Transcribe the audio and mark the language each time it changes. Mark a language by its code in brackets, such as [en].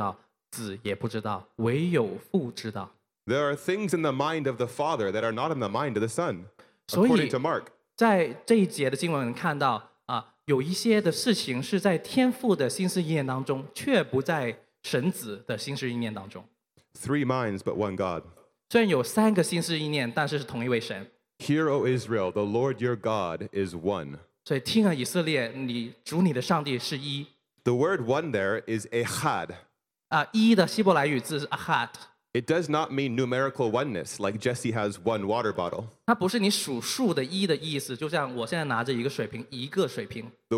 [zh] 但那日子、那时辰，没有人知道，连天上的使者也不知道，子也不知道，唯有父知道。 [en] There are things in the mind of the Father that are not in the mind of the Son, according to Mark. [zh] 所以在这一节的经文看到，有一些的事情是在天父的心思意念当中，却不在神子的心思意念当中。 [en] Three minds, but one God. [zh] 虽然有三个心思意念，但是是同一位神。 [en] Hear, O Israel, the Lord your God is one. [zh] 所以听啊，以色列，你主你的上帝是一。 [en] The word one there is echad. [zh] 一的希伯来语字是echad。 [en] It does not mean numerical oneness, like Jesse has one water bottle. [zh] 它不是你数数的一的意思，就像我现在拿着一个水瓶，一个水瓶。The